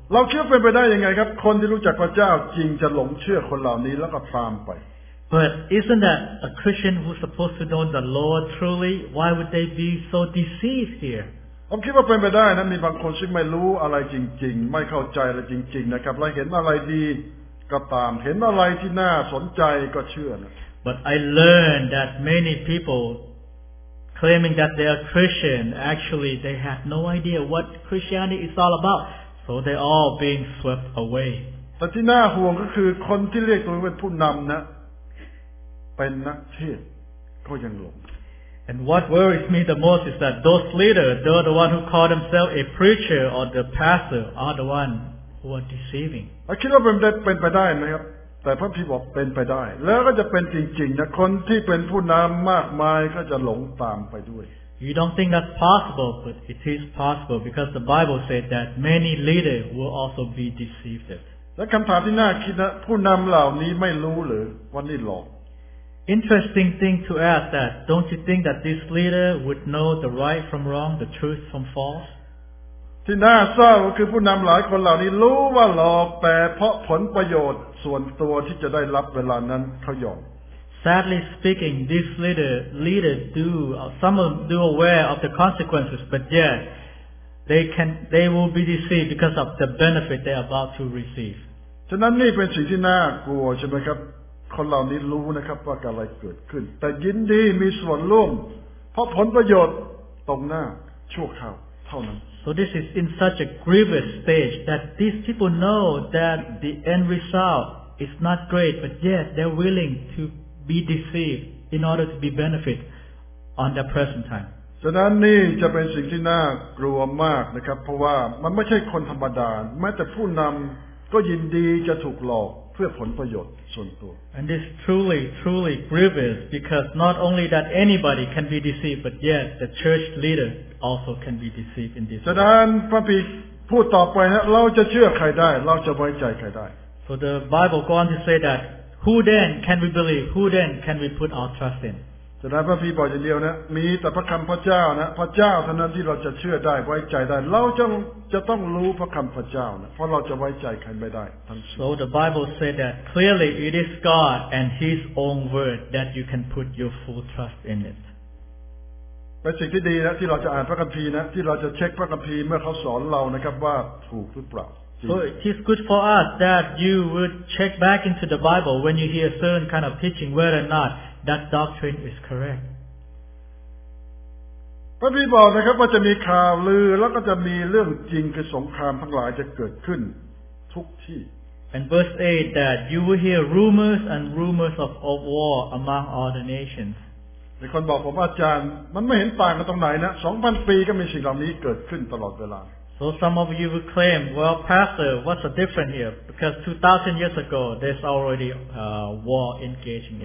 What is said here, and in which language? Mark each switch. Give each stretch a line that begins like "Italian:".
Thai: เราคิดเป็นไปได้ยังไงครับคนที่รู้จักพระเจ้าจริงจะหลงเชื่อคนเหล่านี้แล้วก็ตามไป
English: But isn't that a Christian who's supposed to know the Lord truly why would they be so deceived here
Thai: ผมคิดว่าเป็นไปได้นะมีบางคนซึ่งไม่รู้อะไรจริงๆไม่เข้าใจอะไรจริงๆนะครับแล้วเห็นอะไรดีก็ตามเห็นอะไรที่น่าสนใจก็เชื่อนะ
English: But I learned that many peopleClaiming that they are Christian, actually they have no idea what Christianity is all about, so they are all being swept away.
Thai: แต่ที่น่าห่วงก็คือคนที่เรียกตัวเองเป็นผู้นำนะเป็นนักเทศน์ก็ยังหลง
English: And what worries me the most is that those leaders, they're the one who call themselves a preacher or the pastor, are the one who are deceiving.
Thai: เราคิดว่าเป็นไปได้ไหมครับแต่พระพี่บอกเป็นไปได้แล้วก็จะเป็นจริงๆนะคนที่เป็นผู้นำมากมายก็จะหลงตามไปด้วย
English: You don't think that's possible but it is possible because the Bible said that many leaders will also be deceived
Thai: และคำถามที่น่าคิดนะผู้นำเหล่านี้ไม่รู้หรือว่านี่หลอก
English: Interesting thing to ask that don't you think that this leader would know the right from wrong the truth from false
Thai: ที่น่าเศร้าคือผู้นำหลายคนเหล่านี้รู้ว่าหลอกแต่เพราะผลประโยชน์ส่วนตัวที่จะได้รับเวลานั้นเขายอม
English: Sadly speaking, these leaders do some of them do aware of the consequences, but yet they will be deceived because of the benefit they are about to receive.
Thai: ฉะนั้นนี่เป็นสิ่งที่น่ากลัวใช่ไหมครับคนเหล่านี้รู้นะครับว่าอะไรเกิดขึ้นแต่ยินดีมีส่วนร่วมเพราะผลประโยชน์ตรงหน้าชั่วคราวเท่านั้น
English: So this is in such a grievous stage that these people know that the end result is not great, but yet they're willing to be deceived in order to be benefit on their present time.
Thai: ฉะนั้นนี่จะเป็นสิ่งที่น่ากลัวมากนะครับเพราะว่ามันไม่ใช่คนธรรมดาแม้แต่ผู้นำก็ยินดีจะถูกหลอกเพื่อผลประโยชน์ส่วนตัว
English: And this truly, truly grievous because not only that anybody can be deceived, but yet the church leader. Also can be deceived in this
Thai: ฉะนั้นพระพีพูดต่อไปนะเราจะเชื่อใครได้เราจะไว้ใจใครได้
English: So the Bible goes on to say that who then can we believe who then can we put our trust in ฉ
Thai: ฉะนั้นพระพี่บอกอย่างเดียวนะมีแต่พระคำพระเจ้านะพระเจ้าเท่านั้นที่เราจะเชื่อได้ไว้ใจได้เราจะต้องรู้พระคำพระเจ้านะเพราะเราจะไว้ใจใครไม่ได้ทั้งสิ้น
English: So the Bible said that clearly it is God and His own word that you can put your full trust in it
Thai: เป็นสิ่งที่ดีนะที่เราจะอ่านพระคัมภีร์นะที่เราจะเช็คพระคัมภีร์เมื่อเขาสอนเรานะครับว่าถูกหรือเปล่า
English: So it is good for us that you would check back into the Bible when you hear certain kind of teaching whether or notThat doctrine is correct.
Thai: พระบิดาบอกนะครับว่าจะมีข่าวลือแล้วก็จะมีเรื่องจริงคือสงครามทั้งหลายจะเกิดขึ้นทุกที่
English: And verse 8 that you will hear rumors and rumors of war among all the nations.
Thai: มีคนบอกผมอาจารย์มันไม่เห็นต่างกันตรงไหนนะ 2,000 ปีก็มีสิ่งเหล่านี้เกิดขึ้นตลอดเวลา
English: So some of you will claim, well, Pastor, what's the difference here? Because 2,000 years ago, there's already war engaging.